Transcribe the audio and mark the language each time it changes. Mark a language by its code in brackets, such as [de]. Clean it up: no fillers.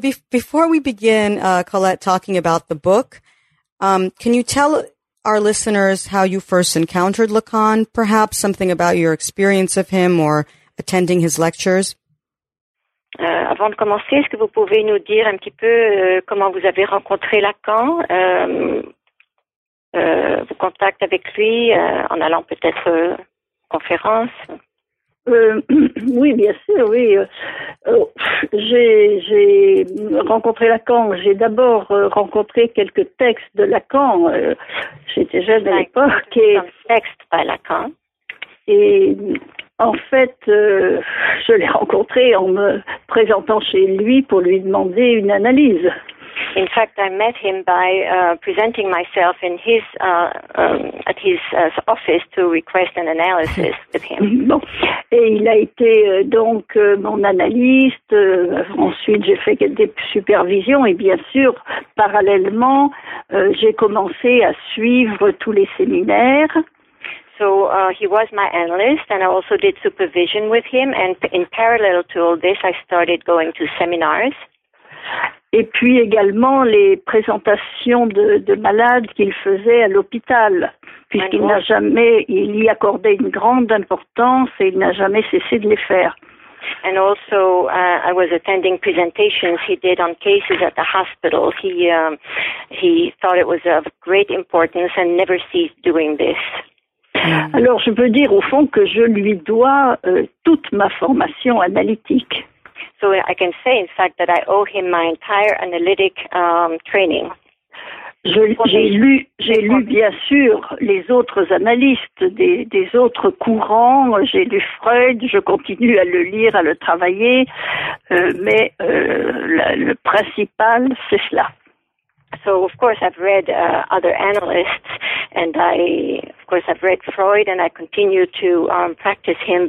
[en] Before we begin, Colette, talking about the book, can you tell our listeners how you first encountered Lacan, perhaps something about your experience of him or attending his lectures? [fr] Avant de commencer, est-ce que vous pouvez nous dire un petit peu comment vous avez rencontré Lacan? Vos contacts avec lui en allant peut-être conférence. Oui, bien sûr, oui. J'ai rencontré Lacan. J'ai d'abord rencontré quelques textes de Lacan. J'étais jeune à l'époque. Et texte par Lacan. Et en fait, je l'ai rencontré en me présentant chez lui pour lui demander une analyse. [en] In fact, I met him by presenting myself in his at his office to request an analysis with him. [fr] Bon, et il a été donc mon analyste. Ensuite, j'ai fait des supervisions et bien sûr, parallèlement, j'ai commencé à suivre tous les séminaires. [en] So he was my analyst, and I also did supervision with him. And in parallel to all this, I started going to seminars. [fr] et puis également les présentations de malades qu'il faisait à l'hôpital, puisqu'il n'a jamais, il y accordait une grande importance et il n'a jamais cessé de les faire. [en] And also, I was attending presentations he did on cases at the hospital. He thought it was of great importance and never ceased doing this. [fr] Alors, je peux dire au fond que je lui dois toute ma formation analytique. [en] So I can say, in fact, that I owe him my entire analytic training. [fr] J'ai lu bien sûr les autres analystes des autres courants. J'ai lu Freud. Je continue à le lire, à le travailler, mais le principal, c'est cela. [en] So of course I've read other analysts, and I of course I've read Freud, and I continue to practice him.